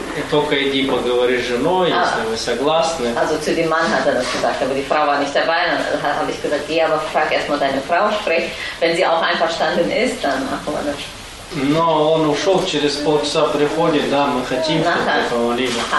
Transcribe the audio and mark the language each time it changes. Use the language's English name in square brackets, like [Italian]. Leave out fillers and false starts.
[Russian] Только иди поговори с женой, если вы согласны. [German] Also zu dem Mann hat das gesagt, aber die Frau war nicht dabei. Dann habe ich gesagt, geh aber frag erstmal deine Frau, sprich, wenn sie auch einverstanden ist, dann machen wir das. [Russian] Но он ушел, через полчаса приходит, да, мы хотим, чтобы ты помолили.